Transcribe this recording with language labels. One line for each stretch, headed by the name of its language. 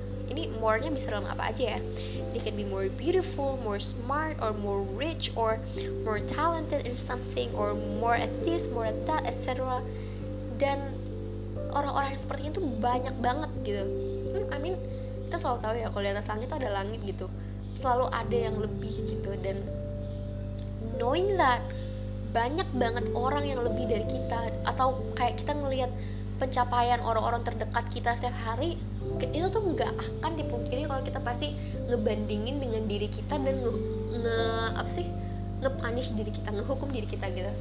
Indonesian: Ini more-nya bisa dalam apa aja ya.
English: They can be more beautiful, more smart, or more rich, or more talented in something, or more at this, more at that, etc.
Indonesian: Dan orang-orang yang seperti itu banyak banget gitu.
English: I mean,
Indonesian: kita selalu tahu ya kalau di atas langit itu ada langit gitu. Selalu ada yang lebih gitu. Dan
English: knowing that
Indonesian: banyak banget orang yang lebih dari kita, atau kayak kita ngelihat pencapaian orang-orang terdekat kita setiap hari, itu tuh nggak akan dipungkiri kalau kita pasti ngebandingin dengan diri kita dan ngepunish diri kita, ngehukum diri kita gitu.